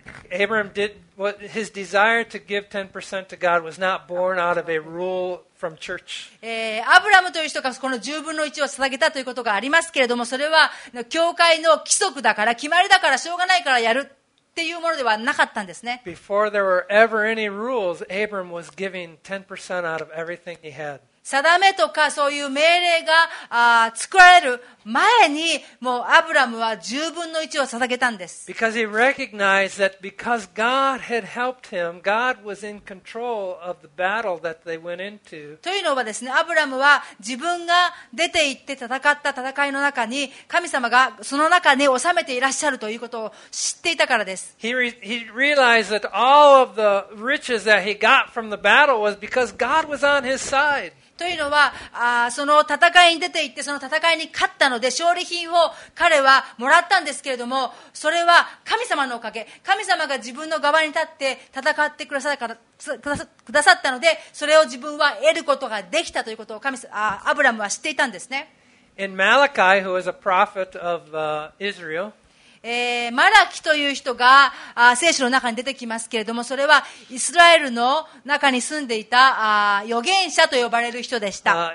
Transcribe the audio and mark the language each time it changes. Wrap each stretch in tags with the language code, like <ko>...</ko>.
<en>Abram did what his desire to give 10% to God was not born out of a rule from church.</en> <ja>アブラムという人がこの十分の一を捧げたということがありますけれども、それは教会の規則だから決まりだからしょうがないからやるっていうものではなかったんですね。</ja> <en>Before there were ever any rules, Abram was giving 10% out of everything he had.</en> <ja>定めとかそういう命令が作られる前にもうアブラムは十分の一を捧げたんです。</ja> <en>Because he recognized that because God had helped him, God was in control of the battle that they went into.</en> <ja>というのはですね、アブラムは自分が出て行って戦った戦いの中に神様がその中に収めていらっしゃるということを知っていたからです。</ja> <en>He realized that all of the riches that he got from the battle was because God was on his side.</en> <ja>というのはその戦いに出て行ってその戦いに勝ったので勝利品を彼はもらったんですけれども、それは神様のおかげ、神様が自分の側に立って戦ってくださったので、それを自分は得ることができたということを神アブラムは知っていたんですね。</ja> <en>In Malachi, who was a prophet of Israel,</en> <ja>マラキという人が聖書の中に出てきますけれども、それはイスラエルの中に住んでいた預言者と呼ばれる人でした。</ja>